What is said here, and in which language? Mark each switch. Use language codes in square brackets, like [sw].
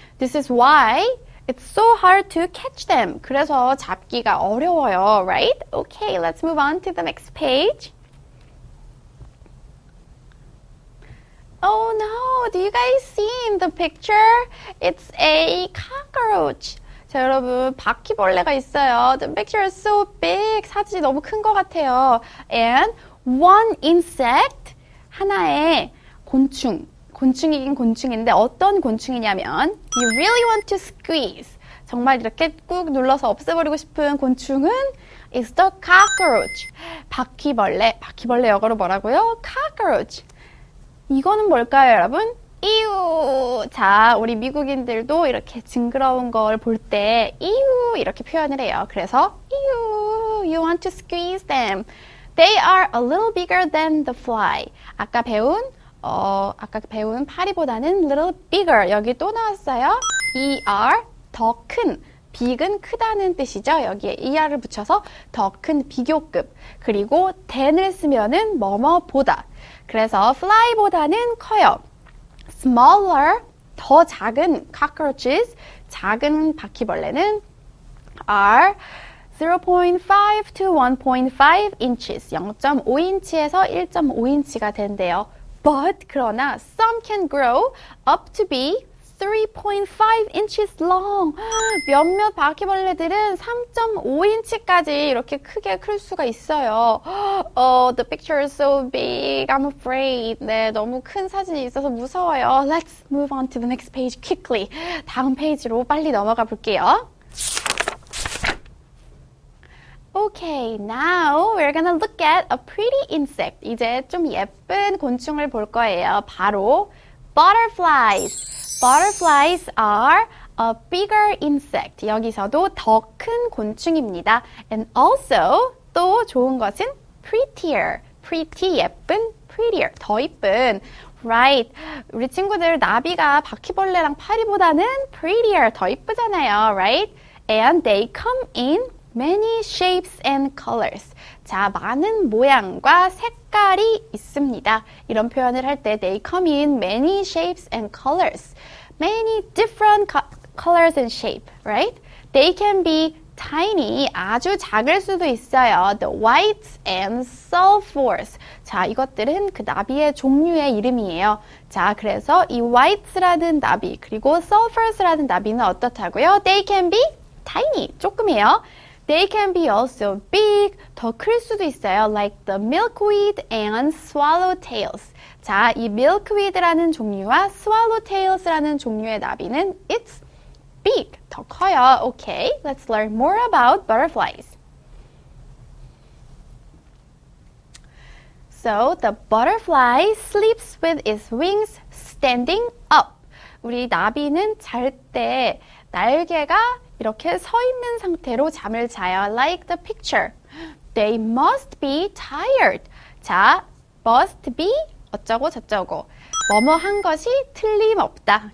[en] This is why it's so hard to catch them. [ko] 그래서 잡기가 어려워요, [en] right? Okay, let's move on to the next page. Oh no, do you guys see in the picture? It's a cockroach. [ko] 자, 여러분, 바퀴벌레가 있어요. [en] The picture is so big. [ko] 사진이 너무 큰 것 같아요. [en] And one insect, [ko] 하나의 곤충. 곤충이긴 곤충인데 어떤 곤충이냐면 [en] you really want to squeeze. [ko] 정말 이렇게 꾹 눌러서 없애버리고 싶은 곤충은 [en] is the cockroach. [ko] 바퀴벌레, 바퀴벌레 역으로 뭐라고요? cockroach. 이거는 뭘까요, 여러분? 이유! 자, 우리 미국인들도 이렇게 징그러운 걸 볼 때 이유! 이렇게 표현을 해요. 그래서 이유! [en] You want to squeeze them. They are a little bigger than the fly. [ko] 아까 배운 파리보다는 [en] little bigger. [ko] 여기 또 나왔어요. ER, 더 큰. big은 크다는 뜻이죠. 여기에 ER을 붙여서 더 큰 비교급. 그리고 than을 쓰면은 뭐뭐보다. 그래서 fly보다는 커요. [en] smaller, [ko] 더 작은 [en] cockroaches, [ko] 작은 바퀴벌레는 [en] are 0.5 to 1.5 inches. [ko] 0.5인치에서 1.5인치가 된대요. [en] But, 그러나 some can grow up to be 3.5 inches long. [ko] 몇몇 바퀴벌레들은 3.5인치까지 이렇게 크게 클 수가 있어요. [en] The picture is so big. I'm afraid. [ko] 네, 너무 큰 사진이 있어서 무서워요. [en] Let's move on to the next page quickly. [ko] 다음 페이지로 빨리 넘어가 볼게요. [en] Okay, now we're gonna look at a pretty insect. [ko] 이제 좀 예쁜 곤충을 볼 거예요. [en] 바로 butterflies. Butterflies are a bigger insect. [ko] 여기서도 더 큰 곤충입니다. [en] And also, [ko] 또 좋은 것은 prettier. Pretty, 예쁜, prettier, 더 이쁜. Right, 우리 친구들 나비가 바퀴벌레랑 파리보다는 prettier, 더 이쁘잖아요. [en] Right, and they come in many shapes and colors. [ko] 자, 많은 모양과 색깔이 있습니다. 이런 표현을 할 때 [en] they come in many shapes and colors. Many different colors and shape, right? They can be tiny, [ko] 아주 작을 수도 있어요. [en] The whites and sulfurs. [ko] 자, 이것들은 그 나비의 종류의 이름이에요. 자, 그래서 이 whites라는 나비, 그리고 sulfurs라는 나비는 어떻다고요? [en] They can be tiny, [ko] 조금이에요. [en] They can be also big, [ko] 더 클 수도 있어요. [en] Like the milkweed and swallowtails. [ko] 자, 이 milkweed라는 종류와 swallowtails라는 종류의 나비는 [en] it's big, [ko] 더 커요. [en] Okay, let's learn more about butterflies. So, the butterfly sleeps with its wings standing up. [ko] 우리 나비는 잘 때 날개가 이렇게 서 있는 상태로 잠을 자요. [en] Like the picture. They must be tired. [ko] 자, must be 어쩌고 저쩌고. 뭐뭐한 것이 틀림없다.